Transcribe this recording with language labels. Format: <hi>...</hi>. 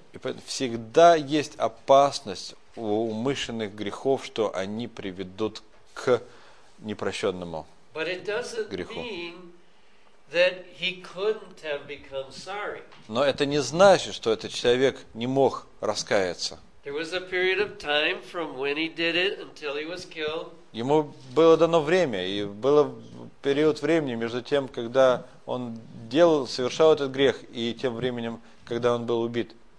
<ru>И всегда есть опасность у умышленных грехов, что они приведут к непрощенному греху.</ru> <en>That he couldn't have become sorry.</en> <ru>Но это не значит, что этот человек не мог раскаяться.</ru> <en>There was a period of time from when he did it until he was killed.</en> <ru>Ему было дано время, и был период времени между тем, когда он делал, совершал этот грех, и тем временем, когда он был убит.</ru>